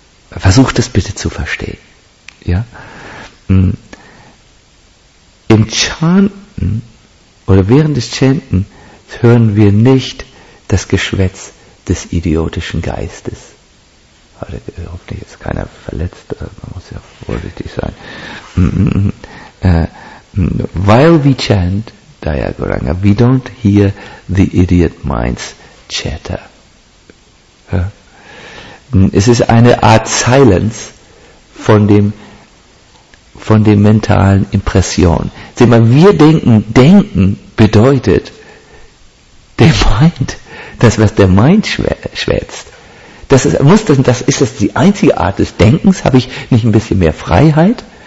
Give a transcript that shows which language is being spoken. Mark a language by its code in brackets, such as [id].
[de] Versucht es bitte zu verstehen. Ja? Im Chanten oder während des Chanten hören wir nicht das Geschwätz des idiotischen Geistes. Hoffentlich ist keiner verletzt, man muss ja vorsichtig sein. [en] While we chant, Daya Goranga, we don't hear the idiot mind's chatter. [de] Es ist eine Art Silence von den mentalen Impressionen. Seht mal, wir denken bedeutet, der Mind, das, was der Mind schwätzt, das ist die einzige Art des Denkens, habe ich nicht ein bisschen mehr Freiheit?